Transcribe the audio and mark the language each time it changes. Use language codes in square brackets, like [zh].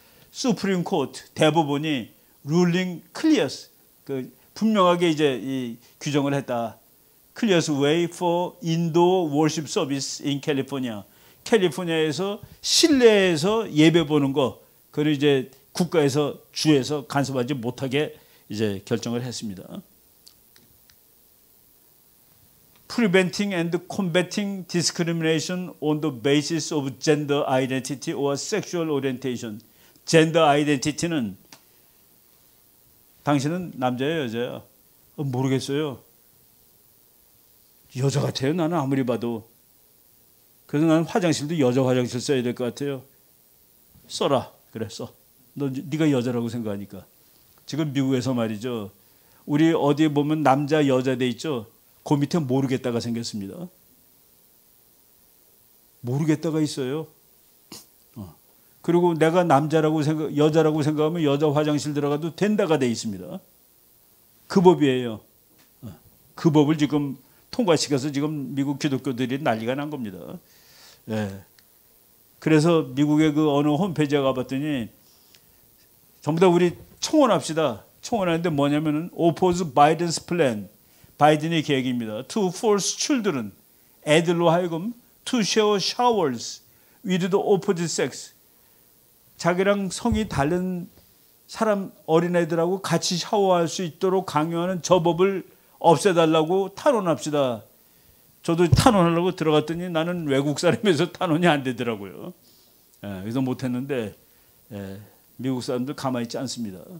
[en] 수프림 코트 [ko] 대법원이 [en] 룰링 클리어스 [ko] 그 분명하게 이제 이 규정을 했다. [en] 클리어스 웨이 포 인도 워십 서비스 인 캘리포니아. [ko] 캘리포니아에서 실내에서 예배 보는 거 그걸 이제 국가에서 주에서 간섭하지 못하게 이제 결정을 했습니다. [en] Preventing and combating discrimination on the basis of gender identity or sexual orientation. [ko] Gender identity는 당신은 남자예요, 여자예요? 모르겠어요. 여자 같아요, 나는 아무리 봐도. 그래서 나는 화장실도 여자 화장실 써야 될 것 같아요. 써라, 그래, 써. 넌 네가 여자라고 생각하니까. 지금 미국에서 말이죠. 우리 어디 보면 남자, 여자 돼 있죠? 그 밑에 모르겠다가 생겼습니다. 모르겠다가 있어요. 그리고 내가 남자라고 생각, 여자라고 생각하면 여자 화장실 들어가도 된다가 돼 있습니다. 그 법이에요. 그 법을 지금 통과시켜서 지금 미국 기독교들이 난리가 난 겁니다. 예. 그래서 미국의 그 어느 홈페이지에 가봤더니 전부 다 우리 청원합시다. 청원하는데 뭐냐면은 [en] Oppose Biden's plan. [ko] 바이든의 계획입니다. [en] To force children, [ko] 애들로 하여금 [en] to share showers with the opposite sex. [ko] 자기랑 성이 다른 사람, 어린애들하고 같이 샤워할 수 있도록 강요하는 저 법을 없애달라고 탄원합시다. 저도 탄원하려고 들어갔더니 나는 외국 사람에서 탄원이 안 되더라고요. 예, 그래서 못했는데 예, 미국 사람들 가만히 있지 않습니다.